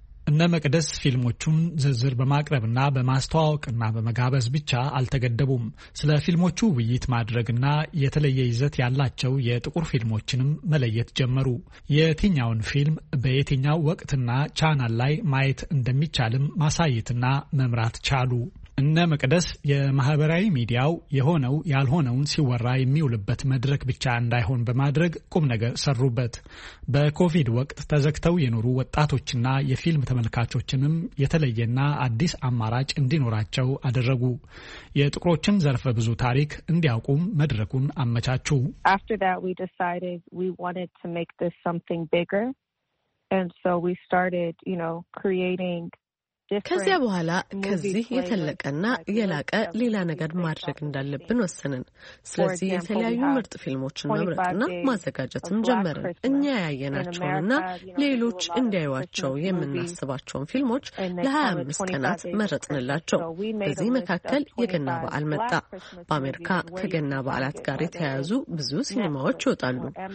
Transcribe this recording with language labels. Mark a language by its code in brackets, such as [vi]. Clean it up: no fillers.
[am] እና መቅደስ ፊልሞቹን ዝርዝር በማቅረብና በማስተዋወቅና በመጋበዝ ብቻ አልተገደቡም። ስለ ፊልሞቹ ውይይት ማድረግና የተለየ ይዘት ያላቸው የጥቁር ፊልሞችንም መለየት ጀመሩ። የትኛውን ፊልም በየትኛው ወቅትና ቻናል ላይ ማየት እንደሚቻልም ማሳየትና መምራት ቻሉ። እና መቅደስ የማህበራዊ ሚዲያው የሆነው ያልሆነውን ሲወራ የሚውልበት መድረክ ብቻ እንዳይሆን በማድረግ ቁም ነገር ሰሩበት። በኮቪድ ወቅት ተዘግተው የኖሩ ወጣቶችና የፊልም ተመልካቾችንም የተለየና አዲስ አማራጭ እንዲኖራቸው አደረጉ። የጥቁሮችን ዘርፈ ብዙ ታሪክ እንዲያውቁም መድረኩን አመቻቹ። [en] After that we decided we wanted to make this something bigger and so we started, you know, creating. [am] ከዚያ በኋላ ከዚህ የተለቀና የላቀ ሌላ ነገር ማድረግ እንዳለብን ወሰንን። ስለዚህ የተለያዩ ምርጥ ፊልሞችን መምረጥና ማዘጋጀትም ጀመርን። እኛ ያየናቸውና ሌሎች እንዲያዩዋቸው የምናስባቸውን ፊልሞች ለ25 ቀናት መረጥንላቸው። በዚህ መካከል የገና በዓል መጣ። በአሜሪካ ከገና በዓላት ጋር የተያያዙ ብዙ ሲኒማዎች ይወጣሉ።